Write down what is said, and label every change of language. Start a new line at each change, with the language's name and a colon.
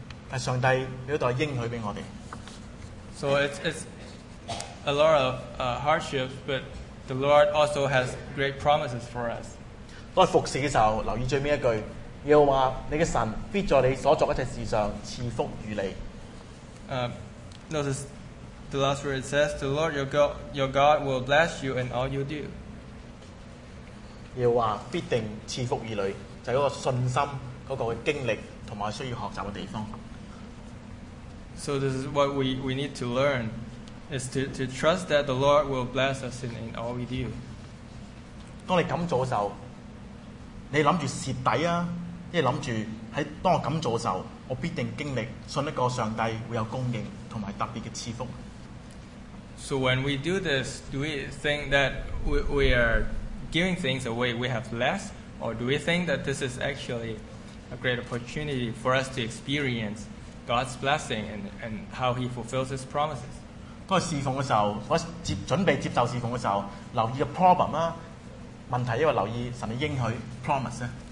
Cantonese: 但上帝呢度係應許俾我哋。
English: So it's a lot of hardships, but the Lord also has great promises for us.
Cantonese: 當服侍嘅時候，留意最尾一句，耶和華你嘅神必在你所作一切事上賜福與你。
English: Notice the last word it says, "The Lord your God will bless you in all you do."
Cantonese: 要話必定賜福與你，就係嗰個信心嗰個經歷同埋需要學習嘅地方。
English: So this is what we need to learn is to trust that the Lord will bless us in all we do。
Cantonese: 當你咁做嘅時候，你諗住蝕底啊，即係諗住喺當我咁做嘅時候，我必定經歷信一個上帝會有供應同埋特別嘅賜福。
English: So when we do this, do we think that we are giving things away, we have less? Or do we think that this is actually a great opportunity for us to experience God's blessing and how He fulfills His promises?
Cantonese: 當侍奉嘅時候，或者準備接受侍奉嘅時候，留意個 problem 啦，問題，因為留意神嘅應許 promise 咧。